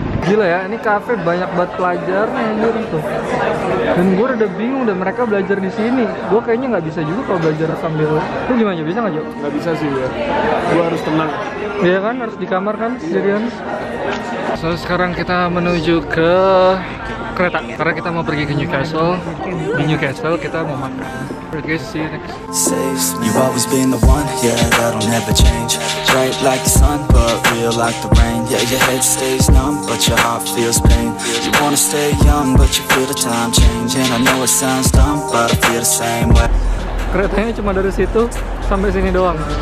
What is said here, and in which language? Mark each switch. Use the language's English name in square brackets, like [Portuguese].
[Indonesian] Gila ya, ini kafe banyak banget pelajar nih tuh. Dan gue udah bingung dan mereka belajar di sini. Gue kayaknya nggak bisa juga kalau belajar sambil. Lu gimana? Bisa nggak, Jo? Nggak bisa sih ya. Gue harus tenang. Iya kan, harus di kamar kan, sendirian. So sekarang kita menuju ke kereta karena kita mau pergi ke Newcastle. Di Newcastle kita mau makan. [English] Safe, you've always been the one, yeah, that'll never change. Bright like the sun, but real like the rain. Yeah, your head stays numb, but your heart feels pain. You wanna stay young, but you feel the time change. And I know it sounds dumb, but I feel the same way. [Indonesian] Keretanya cuma dari situ sampai sini doang.